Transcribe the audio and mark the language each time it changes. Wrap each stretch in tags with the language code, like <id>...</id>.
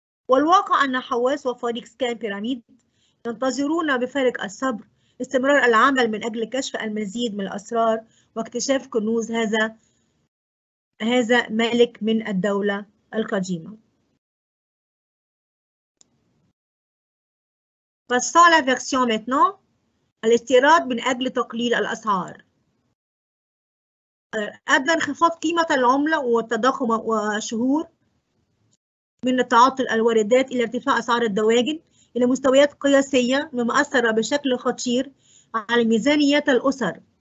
<ar>والواقع أن حواس وفريق سكان بيراميد ينتظرون بفارق الصبر استمرار العمل من أجل كشف المزيد من الأسرار واكتشاف كنوز هذا ملك من الدولة القديمة.</ar> <fr>Passons à la version maintenant.</fr> <ar>الاستيراد من أجل تقليل الأسعار. أدى انخفاض قيمة العملة والتضخم وشهور من تعاطي الواردات إلى ارتفاع أسعار الدواجن إلى مستويات قياسية مما أثر بشكل خطير على ميزانيات الأسر.</ar>